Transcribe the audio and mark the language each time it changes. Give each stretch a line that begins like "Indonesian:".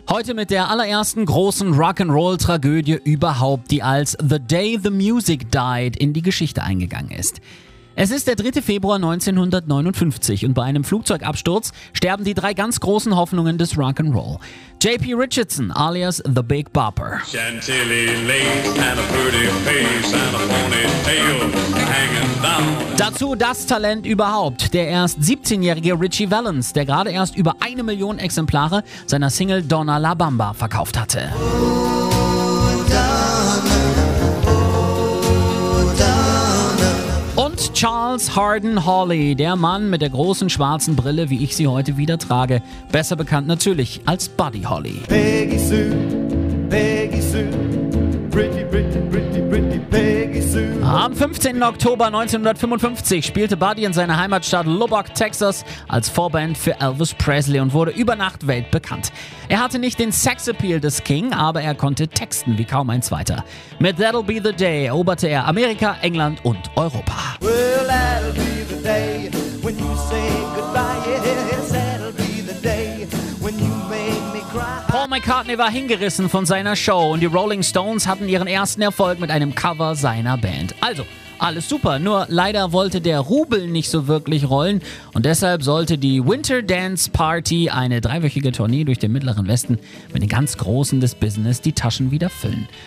German: Heute mit der allerersten großen Rock'n'Roll-Tragödie überhaupt, die als The Day the Music Died in die Geschichte eingegangen ist. Es ist der 3. Februar 1959 und bei einem Flugzeugabsturz sterben die drei ganz großen Hoffnungen des Rock'n'Roll. J.P. Richardson alias The Big Bopper.
English: Chantilly lace and a pretty face and a ponytail hanging down.
German: Dazu das Talent überhaupt, der erst 17-jährige Ritchie Valens, der gerade erst über 1 Million Exemplare seiner Single Donna La Bamba verkauft hatte. Charles Harden Holly, der Mann mit der großen schwarzen Brille, wie ich sie heute wieder trage. Besser bekannt natürlich als Buddy Holly.
English: Peggy Sue, Peggy Sue, pretty, pretty, pretty, pretty Peggy Sue.
German: Am 15. Oktober 1955 spielte Buddy in seiner Heimatstadt Lubbock, Texas als Vorband für Elvis Presley und wurde über Nacht weltbekannt. Er hatte nicht den Sexappeal des King, aber er konnte texten wie kaum ein Zweiter. Mit That'll Be The Day eroberte er Amerika, England und Europa.
English: Well, that'll be the day when you say goodbye. Yes, that'll be the day when you make me cry.
German: Paul McCartney war hingerissen von seiner Show und die Rolling Stones hatten ihren ersten Erfolg mit einem Cover seiner Band. Also, alles super, nur leider wollte der Rubel nicht so wirklich rollen und deshalb sollte die Winter Dance Party, eine dreiwöchige Tournee durch den Mittleren Westen, mit den ganz Großen des Business die Taschen wieder füllen.